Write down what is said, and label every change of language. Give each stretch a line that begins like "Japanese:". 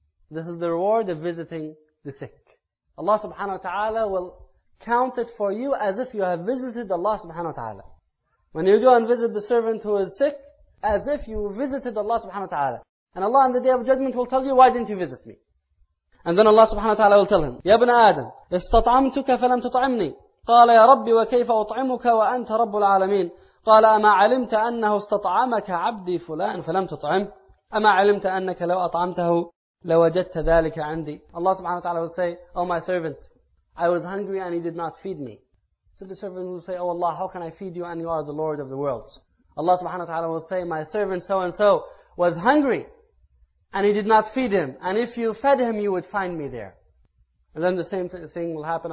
English: This is the reward of visiting the sick. Allah subhanahu wa ta'ala will count it for you as if you have visited Allah subhanahu wa ta'ala. When you go and visit the servant who is sick, as if you visited Allah subhanahu wa ta'ala. And Allah on the day of judgment will tell you, why didn't you visit me? And then Allah subhanahu wa ta'ala will tell him,
Arabic: يَا بْنَ آدَمَ اسْتَطْعَمْتُكَ فَلَمْ تُطْعِمْنِي قَالَ يَا رَبِّ وَكَيْفَ أُطْعِمُكَ وَأَنْتَ رَبُّ الْعَالَمِينَ قَالَ أَمَا عَلِمْتَ أَنَّهُ اسْتَطْعَمَكَ عَبْدِي فُلَانَ فَلَمْ تُطْعِمْ أَمَا عَلِمْتَ أَنَّكَ لَوْ أَطْعَمْتَهُ لَوَجَدْتَ ذَلِكَ عَنْدِي.
English: Allah subhanahu wa ta'ala will say, oh my servant, I was hungry and he did not feed me. So the servant will say, oh Allah, how can I feed you and you are the Lord of the worlds? Allah subhanahu wa ta'ala will say, my servant so and so was hungry and he did not feed him. And if you fed him, you would find me there. And then the same thing will happen.